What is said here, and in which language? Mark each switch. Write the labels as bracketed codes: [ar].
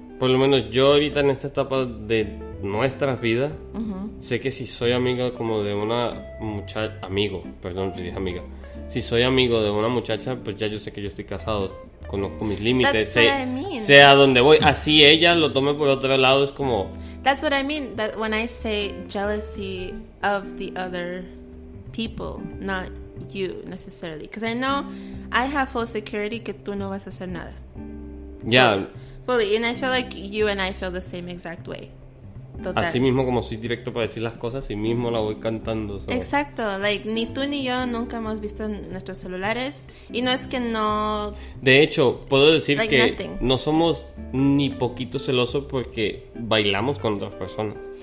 [es] Por lo menos yo ahorita en esta etapa de nuestras vidas, sé que si soy amiga como de una muchacha, amigo, perdón, si dije amiga. Si soy amigo de una muchacha, pues ya yo sé que yo estoy casado, conozco mis límites, [en] that's what I mean. [es] Sé a dónde voy. Así ella lo tome por otro lado, es como... [en] That's what I mean, that when I say jealousy of the other people, not you necessarily. Because I know I have full security [es] que tú no vas a hacer nada. [en] Yeah. Fully, and I feel like you and I feel the same exact way. [es] Total. Así mismo, como soy directo para decir las cosas, así mismo la voy cantando. [en] So. [es] Exacto, like, ni tú ni yo nunca hemos visto nuestros celulares, y no es que no... De hecho, puedo decir like que nothing. No somos ni poquito celosos porque bailamos con otras personas.